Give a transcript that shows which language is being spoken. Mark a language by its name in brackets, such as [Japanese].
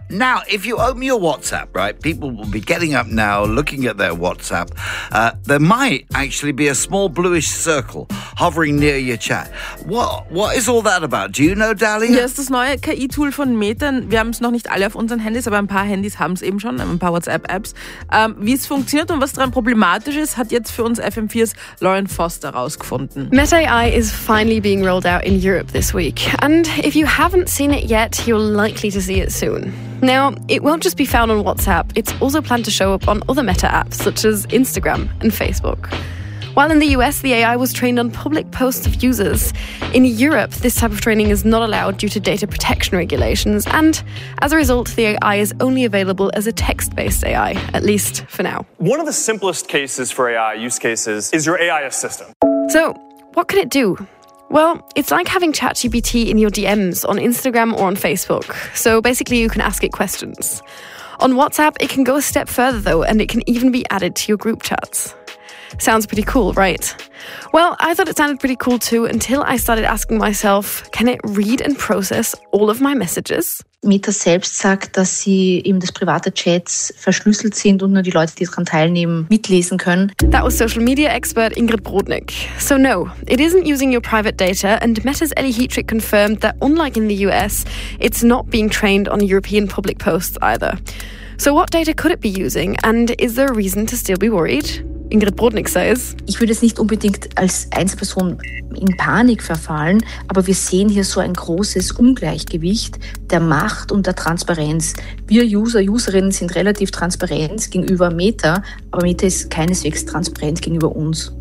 [English] Now, if you open your WhatsApp, right, people will be getting up now, looking at their WhatsApp. There might actually be a small bluish circle hovering near your chat. What is all that about? Do you know, Dahlia? [German] Ja, ist das neue KI-Tool von Meta. Wir haben es noch nicht alle auf unseren Handys, aber ein paar Handys haben es eben schon, ein paar WhatsApp-Apps. Wie es funktioniert und was daran problematisch ist, hat jetzt für uns FM4's Lauren Foster rausgefunden. [English] Meta AI is finally being rolled out in Europe this week. And if you haven't seen it yet, you're likely to see it soon. Now, it won't just be found on WhatsApp, it's also planned to show up on other Meta apps such as Instagram and Facebook. While in the US, the AI was trained on public posts of users, in Europe, this type of training is not allowed due to data protection regulations, and as a result, the AI is only available as a text-based AI, at least for now. One of the simplest cases for AI use cases is your AI assistant. So, what can it do? Well, it's like having ChatGPT in your DMs on Instagram or on Facebook. So basically, you can ask it questions. On WhatsApp, it can go a step further, though, and it can even be added to your group chats. Sounds pretty cool, right? Well, I thought it sounded pretty cool too until I started asking myself, can it read and process all of my messages? [German] Meta selbst sagt, dass sie eben das private Chats verschlüsselt sind und nur die Leute, die daran teilnehmen, mitlesen können. [English] That was social media expert Ingrid Brodnik. So no, it isn't using your private data, and Meta's Ellie Heatrick confirmed that unlike in the US, it's not being trained on European public posts either. So what data could it be using, and is there a reason to still be worried? Ingrid Brodnik says, [German] ich würde jetzt nicht unbedingt als Einzelperson in Panik verfallen, aber wir sehen hier so ein großes Ungleichgewicht der Macht und der Transparenz. Wir User, Userinnen sind relativ transparent gegenüber Meta, aber Meta ist keineswegs transparent gegenüber uns.